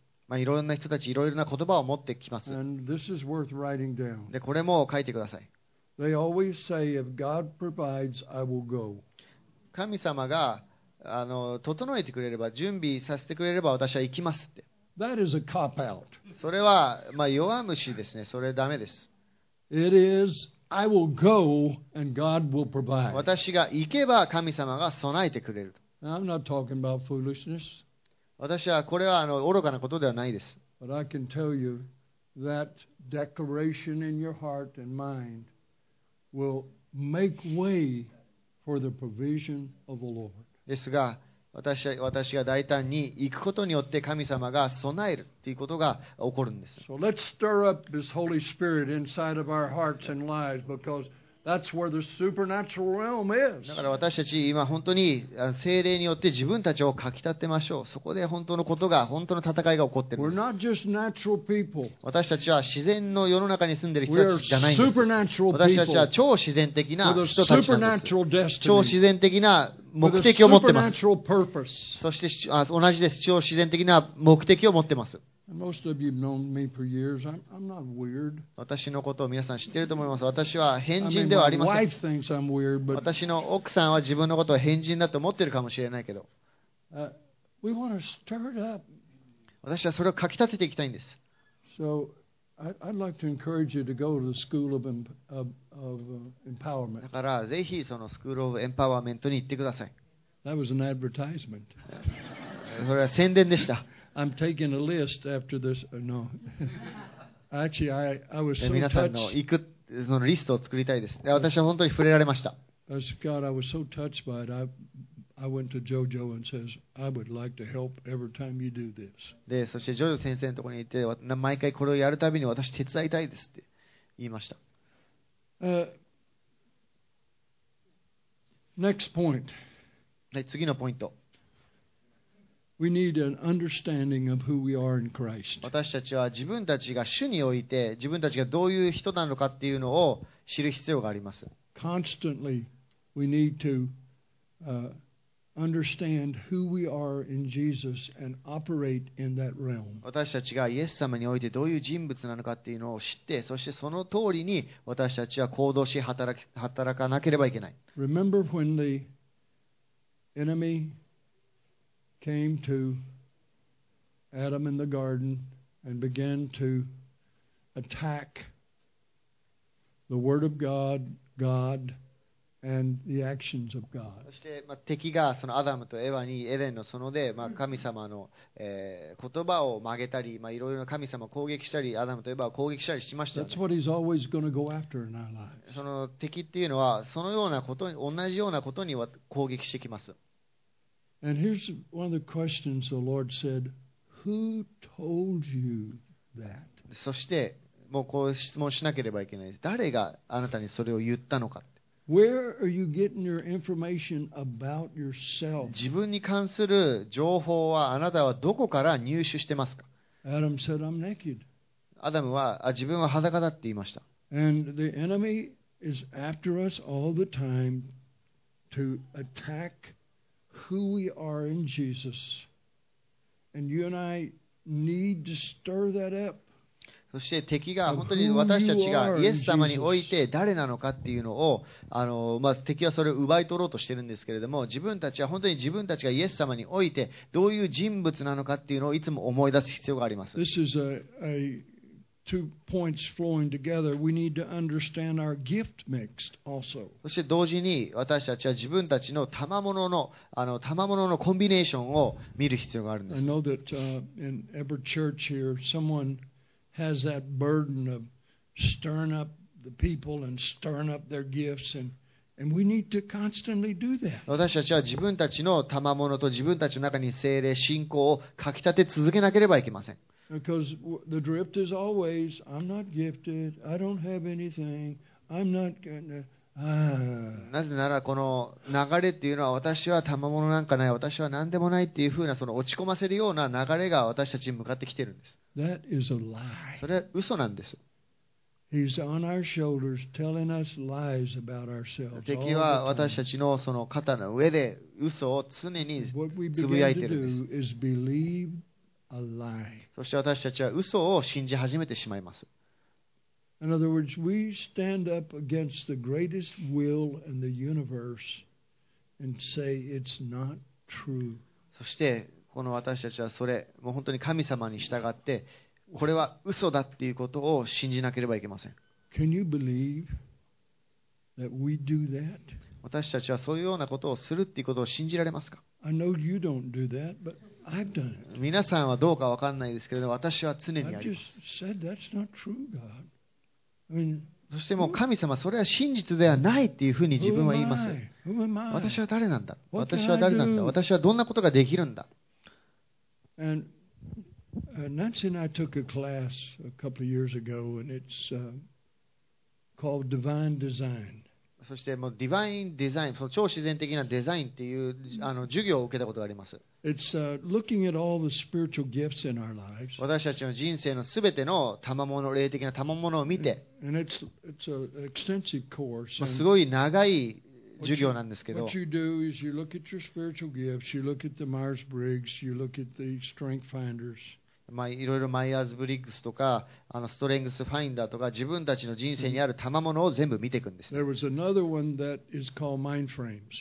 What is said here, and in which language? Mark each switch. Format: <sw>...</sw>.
<ja>いろんな人たちいろいろな言葉を持ってきます。で、これも書いてください。</ja> <en>They always say, if God provides, I will go.</en> <ja>神様が整えてくれれば準備させてくれれば私は行きますって。</ja> <en>That is a cop out.</en> <ja>それは弱虫ですね。それダメです。</ja> <en>It isI will go and God will provide.</en> <ja>私が行けば神様が備えてくれる。</ja> <en>I'm not talking about foolishness.</en> <ja>私はこれは愚かなことではないです。</ja> <en>But I can tell you that declaration in your heart and mind will make way for the provision of the Lord.</en> <ja>ですが、私が大胆に行くことによって神様が備えるということが起こるんです。</ja> <en>So let's stir up this Holy Spirit inside of our hearts and lives because that's where the supernatural realm is.</en> <ja>だから私たち今本当に聖霊によって自分たちをかきたてましょう。そこで本当のことが本当の戦いが起こっているんです。</ja> <en>We're not just natural people.</en> <ja>私たちは自然の世の中に住んでいる人たちじゃないんです。</ja> <en>We're supernatural people.</en> <ja>私たちは超自然的な人たちなんです。超自然的な目的を持ってます。</ja> <en>With a supernatural purpose.</en> <ja>そして同じです。超自然的な目的を持ってます。</ja> <en>Most of you have known me for years. I'm not weird.</en> <ja>私のことを皆さん知っていると思います。私は変人ではありません。</ja> <en>My wife thinks I'm weird, but</en> <ja>私の奥さんは自分のことを変人だと思っているかもしれないけど。</ja> <en>We want to stir it up.</en> <ja>私はそれをかきたてていきたいんです。</ja> <en>So I'd like to encourage you to go to the School of Empowerment.</en> <ja>だからぜひそのスクールオブエンパワーメントに行ってください。</ja> <en>That was an advertisement.</en> <ja>それは宣伝でした。</ja> <en>I'm taking a list after this. No. Actually, I was so touched.</en> <ja>皆さんの行くそのリストを作りたいです。私は本当に触れられました。</ja> <en>God, I was so touched by it. I went to JoJo and says, I would like to help every time you do this.</en> <ja>で、そしてジョジョ先生のところに行って、毎回これをやるたびに私手伝いたいですって言いました。</ja> <en>Next point.</en> <ja>はい、次のポイント。</ja> <en>We need an understanding of who we are in Christ.</en> <ja>私たちは自分たちが主において自分たちがどういう人なのかっていうのを知る必要があります。</ja> <en>Constantly, we need to understand who we are in Jesus and operate in that realm.</en> <ja>私たちがイエス様においてどういう人物なのかっていうのを知って、そしてその通りに私たちは行動し働かなければいけない。</ja> <en>Remember when the enemy came to Adam in the garden and began to attack the word of God, God. And the actions of God.</en> <ja>そして、まあ、敵がそのアダムとエヴァにエレンの園で、まあ、神様の、言葉を曲げたり、まあ、いろいろな神様を攻撃したりアダムとエヴァを攻撃したりしましたよね。</ja> <en>That's what he's always gonna go after in our lives.</en> <ja>その敵っていうのはそのようなことに同じようなことには攻撃してきます。</ja> <en>And here's one of the questions the Lord said, Who told you that?</en> <ja>そしてもうこう質問しなければいけないです。誰があなたにそれを言ったのか。</ja> <en>Where are you getting your information about yourself?</en> <ja>自分に関する情報はあなたはどこから入手してますか？</ja> <en>Adam said, I'm naked.</en> <ja>アダムは自分は裸だって言いました。</ja> <en>And the enemy is after us all the time to attack who we are in Jesus. And you and I need to stir that up.</en> <ja>そして敵が本当に私たちがイエス様において誰なのかっていうのをまあ、敵はそれを奪い取ろうとしてるんですけれども、自分たちは本当に自分たちがイエス様においてどういう人物なのかっていうのをいつも思い出す必要があります。</ja> <en>This is a two points flowing together. We need to understand our gift mix also.</en> <ja>そして同時に私たちは自分たちの賜物の賜物のコンビネーションを見る必要があるんです。</ja> <en>I know that in every church here someoneHas that burden of stirring up the people and stirring up their gifts, and we need to constantly do that.</en> <ja>私たちは自分たちの賜物と自分たちの中に聖霊信仰をかきたて続けなければいけません。</ja> <en>Because the drift is always, I'm not gifted, I don't have anything, I'm not gonna.</en> <ja>なぜならこの流れっていうのは、私は賜物なんかない、私は何でもないっていうふうな、その落ち込ませるような流れが私たちに向かってきてるんです。</ja> <en>That is a lie.</en> <ja>それは嘘なんです。</ja> <en>He's on our shoulders telling us lies about ourselves.</en> <ja>敵は私たちのその肩の上で嘘を常につぶやいてるんです。</ja> <en>believe a lie.</en> <ja>そして私たちは嘘を信じ始めてしまいます。</ja> <en>In other words, we stand up against the greatest will in the universe and say it's not true.</en> <ja>そしてこの私たちはそれもう本当に神様に従ってこれは嘘だっていうことを信じなければいけません。</ja> <en>Can you believe that we do that?</en> <ja>私たちはそういうようなことをするっていうことを信じられますか？</ja> <en>I know you don't do that, but I've done it.</en> <ja>皆さんはどうか分かんないですけれど、私は常にやります。</ja> <en>I just said that's not true, God.</en> <ja>そしてもう神様、それは真実ではないっていうふうに自分は言います。私は誰なんだ、私は誰なんだ、私はどんなことができるんだ。</ja> <en>Nancy and I took a class a couple of years ago and it's called Divine Design.</en> <ja>そしてもう Divine Design、 その超自然的なデザインっていう授業を受けたことがあります。</ja> <en>It's looking at all the spiritual gifts in our lives.</en> <ja>私たちの人生のすべての賜物、霊的な賜物を見て。</ja> <en>And it's an extensive course.</en> <ja>すごい長い授業なんですけど。</ja> <en>What you do is you look at your spiritual gifts, you look at the Myers-Briggs, you look at the Strength Finders.</en> <ja>まあ、いろいろマイヤーズブリッグスとかストレングスファインダーとか自分たちの人生にある賜物を全部見ていくんです。</ja> <en>There was another one that is called mind frames.</en>